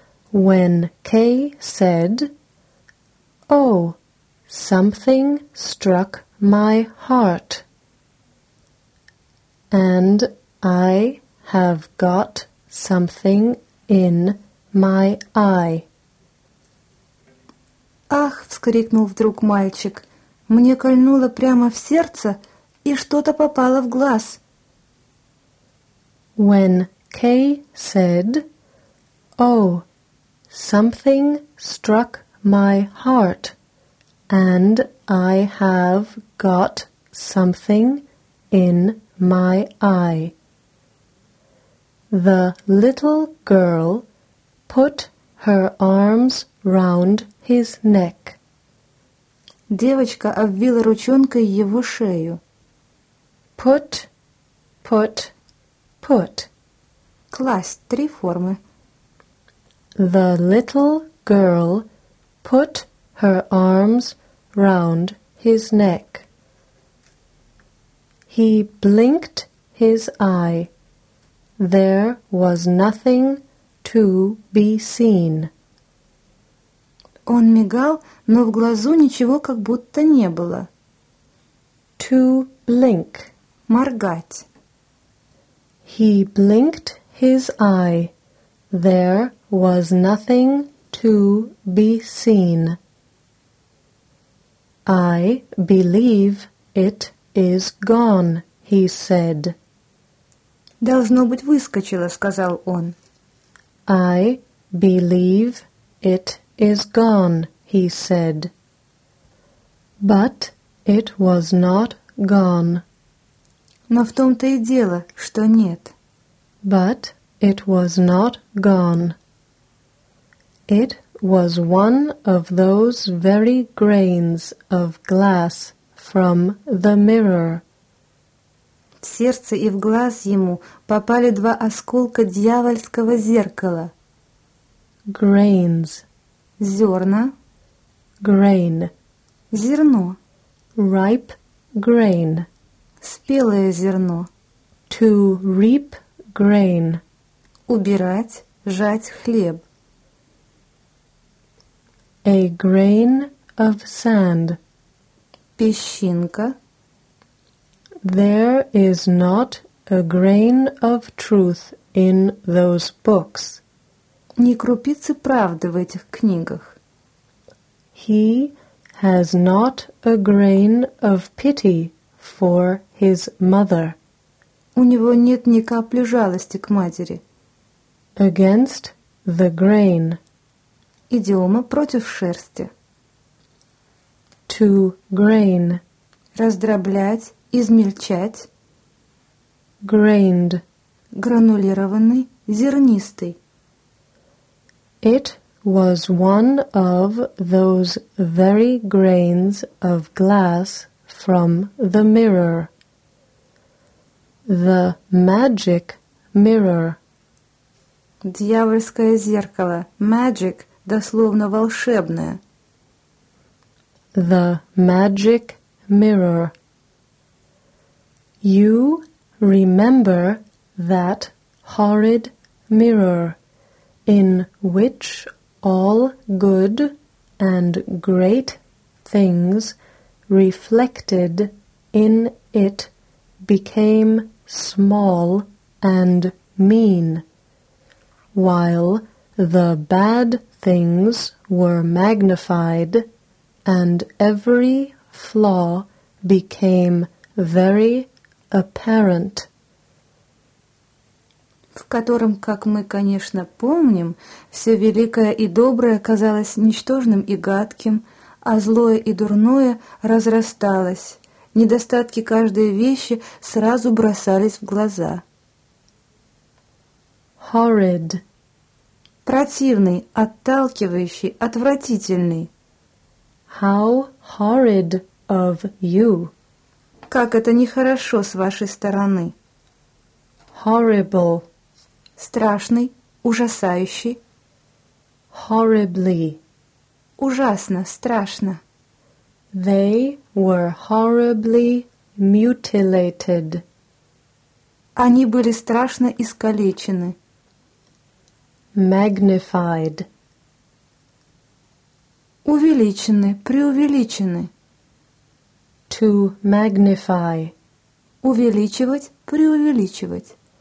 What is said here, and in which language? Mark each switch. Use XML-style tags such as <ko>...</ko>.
<en>When Kay said, "Oh, something struck my heart, and I have got something in my eye."</en> <ru>Ах, вскрикнул вдруг мальчик. Мне кольнуло прямо в сердце, и что-то попало в глаз.</ru> <en>When Kay said, "Oh, something struck my heart, and I have got something in my eye," the little girl put her arms round his neck.</en> <ru>Девочка обвила ручонкой его шею.</ru> <en>Put, put, put.</en> <ru>Класть, три формы.</ru> <en>The little girl put her arms round his neck. He blinked his eye. There was nothing to be seen.</en> <ru>Он мигал, но в глазу ничего как будто не было.</ru> <en>To blink.</en> <ru>Моргать.</ru> <en>He blinked his eye. There was nothing to be seen. I believe it is gone, he said.</en> <ru>Должно быть, выскочило, сказал он.</ru> <en>I believe it is gone, he said. But it was not gone.</en> <ru>Но в том-то и дело, что нет.</ru> <en>But it was not gone. It was one of those very grains of glass from the mirror.</en> <ru>В сердце и в глаз ему попали два осколка дьявольского зеркала.</ru> <en>Grains.</en> <ru>Зерна.</ru> <en>Grain.</en> <ru>Зерно.</ru> <en>Ripe grain.</en> <ru>Спелое зерно.</ru> <en>To reap grain.</en> <ru>Убирать, жать хлеб.</ru> <en>A grain of sand.</en> <ru>Песчинка.</ru> <en>There is not a grain of truth in those books.</en> <ru>Ни крупицы правды в этих книгах.</ru> <en>He has not a grain of pity for his mother.</en> <ru>У него нет ни капли жалости к матери.</ru> <en>against the grain.</en> <ru>Идиома против шерсти.</ru> <en>To grain.</en> <ru>Раздроблять, измельчать.</ru> <en>Grained.</en> <ru>Гранулированный, зернистый.</ru> <en>It was one of those very grains of glass from the mirror. The magic mirror.</en> <ru>Дьявольское зеркало. Magic, дословно волшебное.</ru> <en>The magic mirror. You remember that horrid mirror in which all good and great things reflected in it became small and mean, while the bad things were magnified and every flaw became very apparent.</en> <ru>В котором, как мы, конечно, помним, все великое и доброе казалось ничтожным и гадким, а злое и дурное разрасталось. Недостатки каждой вещи сразу бросались в глаза.</ru> <en>Horrid.</en> <ru>Противный, отталкивающий, отвратительный.</ru> <en>How horrid of you.</en> <ru>Как это нехорошо с вашей стороны.</ru> <en>Horrible.</en> <ru>Страшный, ужасающий.</ru> <en>Horribly.</en> <ru>Ужасно, страшно.</ru> <en>They were horribly mutilated.</en> <ru>Они были страшно искалечены.</ru> <en>Magnified.</en> <ru>Увеличены, преувеличены.</ru> <en>To magnify.</en> <ru>Увеличивать, преувеличивать.</ru>